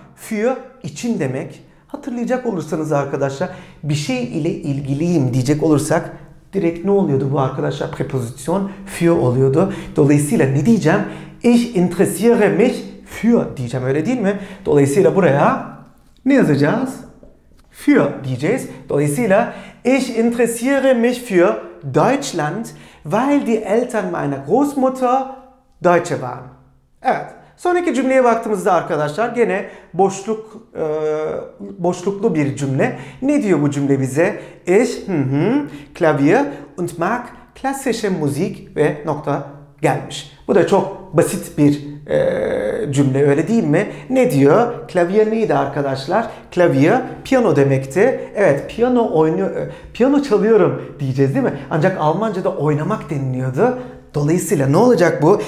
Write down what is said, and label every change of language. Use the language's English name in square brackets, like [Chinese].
[Turkish] Für için demek. Hatırlayacak olursanız arkadaşlar, bir şey ile ilgiliyim diyecek olursak direkt ne oluyordu bu arkadaşlar? Preposition für oluyordu. Dolayısıyla ne diyeceğim? [German] Ich interessiere mich für [Turkish] diyeceğim, öyle değil mi? Dolayısıyla buraya ne yazacağız? Für diyeceğiz. Dolayısıyla [German] ich interessiere mich für Deutschland, weil die Eltern meiner Großmutter Deutsche waren. [Turkish] Evet. Sonraki cümleye baktığımızda arkadaşlar, gene boşluklu bir cümle. Ne diyor bu cümle bize? [German] Ich Klavier und mag klassische Musik [Turkish] ve nokta gelmiş. Bu da çok basit bir cümle, öyle değil mi? Ne diyor? Klavye neydi arkadaşlar? Klavye piyano demekti. Evet, piyano oynuyor, piyano çalıyorum diyeceğiz değil mi? Ancak Almanca'da oynamak deniliyordu. Dolayısıyla ne olacak bu?